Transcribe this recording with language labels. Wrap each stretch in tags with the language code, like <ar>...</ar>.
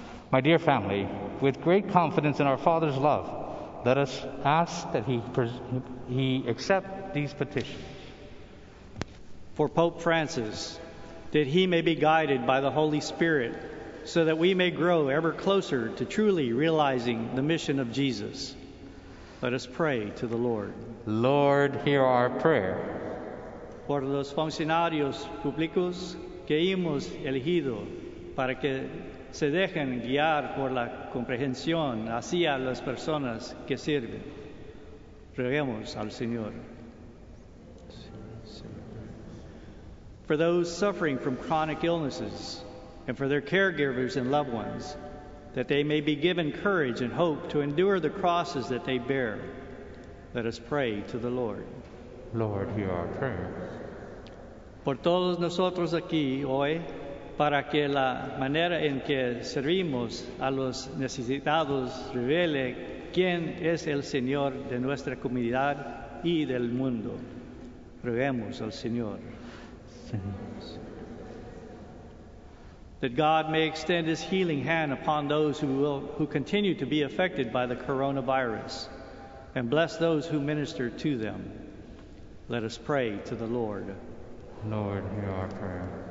<en>My dear family, with great confidence in our Father's love, let us ask that he accept these petitions. For Pope Francis, that he may be guided by the Holy Spirit, so that we may grow ever closer to truly realizing the mission of Jesus. Let us pray to the Lord. Lord, hear our prayer.</en> <es>Por los funcionarios públicos que hemos elegido para que se dejen guiar por la comprensión hacia las personas que sirven, roguemos al Señor.</es> <en>For those suffering from chronic illnesses and for their caregivers and loved ones, that they may be given courage and hope to endure the crosses that they bear, let us pray to the Lord. Lord, hear our prayer.</en> <es>Por todos nosotros aquí hoy, para que la manera en que servimos a los necesitados revele quién es el Señor de nuestra comunidad y del mundo, roguemos al Señor.</es> <en>That God may extend His healing hand upon those who continue to be affected by the coronavirus and bless those who minister to them. Let us pray to the Lord. Lord, hear our prayer.</en>